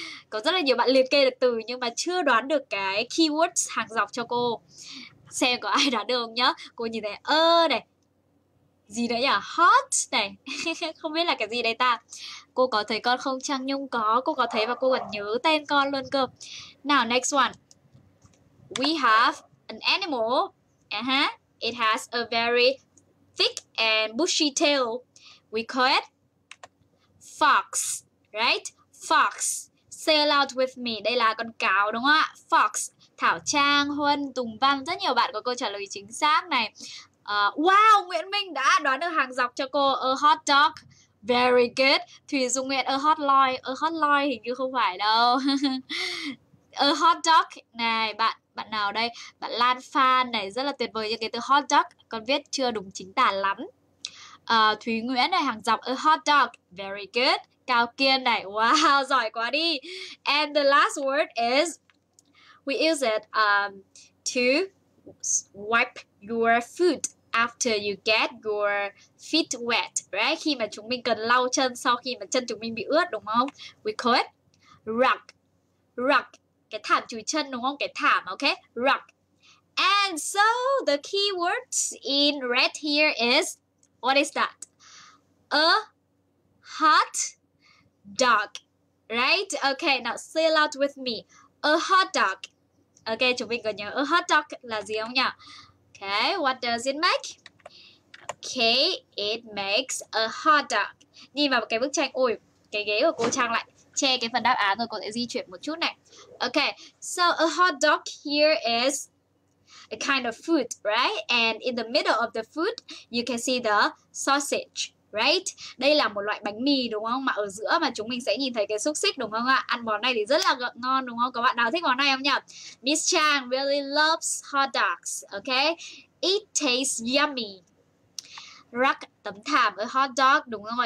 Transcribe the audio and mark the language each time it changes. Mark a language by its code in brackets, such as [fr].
[vi] Có rất là nhiều bạn liệt kê được từ nhưng mà chưa đoán được cái keywords hàng dọc cho cô. Xem có ai đoán được không nhá. Cô nhìn thấy này, gì đấy nhỉ, hot này. Không biết là cái gì đây ta. Cô có thấy con không? Trang Nhung có. Cô có thấy và cô còn nhớ tên con luôn cơ. [en] Now next one. We have an animal. It has a very thick and bushy tail. We call it fox, right? Fox. Say aloud with me. [vi] Đây là con cáo đúng không ạ? Fox. Thảo Trang, Huân, Tùng Văn, rất nhiều bạn có câu trả lời chính xác này. Wow, Nguyễn Minh đã đoán được hàng dọc cho cô. [en] A hot dog. Very good. [vi] Thùy Dung Nguyễn, a hot loy. A hot loy hình như không phải đâu. A hot dog này, bạn bạn nào đây? Bạn Lan Phan này, rất là tuyệt vời cho cái từ hot dog. Con viết chưa đúng chính tả lắm. Thúy Nguyễn này, hàng dọc, [en] a hot dog. Very good. [vi] Cao Kiên này, wow, giỏi quá đi. [en] And the last word is, we use it to wipe your food after you get your feet wet, right? [vi] Khi mà chúng mình cần lau chân sau khi mà chân chúng mình bị ướt, đúng không? [en] We call it rug. [vi] Rug, cái thảm chùi chân, đúng không? Cái thảm, okay? [en] Rug. And so the key words in red here is, what is that? A hot dog, right? Okay, now say it out with me. A hot dog. [vi] Okay, chúng mình có nhớ a hot dog là gì không nhỉ? [en] Okay, what does it make? Okay, it makes a hot dog. [vi] Nhìn vào cái bức tranh, ôi, cái ghế của cô Trang lại che cái phần đáp án rồi, cô sẽ di chuyển một chút này. [en] Okay, so a hot dog here is a kind of food, right? And in the middle of the food, you can see the sausage, right? [vi] Đây là một loại bánh mì đúng không? Mà ở giữa mà chúng mình sẽ nhìn thấy cái xúc xích đúng không ạ? Ăn món này thì rất là ngon đúng không? Có bạn nào thích món này không nhỉ? [en] Miss Chang really loves hot dogs, okay? It tastes yummy. Rug, tấm thảm, a hot dog, đúng không?